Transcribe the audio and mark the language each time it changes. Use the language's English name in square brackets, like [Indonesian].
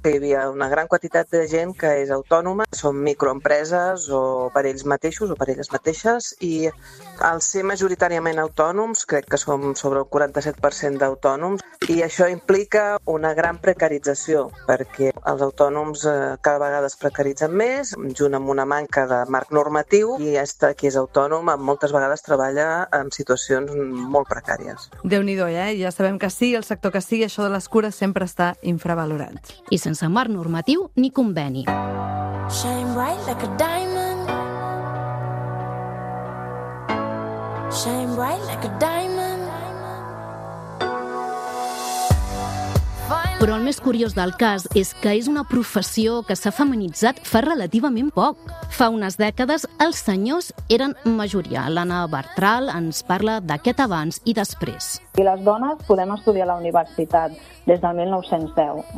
[Catalan] Hi havia una gran quantitat de gent que és autònoma, són microempreses o per ells mateixos o per elles mateixes, i al ser majoritàriament autònoms, crec que som sobre el 47% d'autònoms, i això implica una gran precarització, perquè els autònoms cada vegada es precaritzen més, junt amb una manca de marc normatiu, i aquesta qui és autònom moltes vegades treballa en situacions molt precàries. Déu-n'hi-do, ja sabem que sí, el sector que sigui, això de les cures sempre està infravalorat. I sense marc normatiu ni conveni. [English] Shine bright like a diamond. Shine bright like a diamond. [Catalan] Però el més curiós del cas és que és una professió que s'ha feminitzat fa relativament poc. Fa unes dècades els senyors eren majoria. L'Anna Bertral ens parla d'aquest abans i després. I les dones podem estudiar a la universitat des del 1910.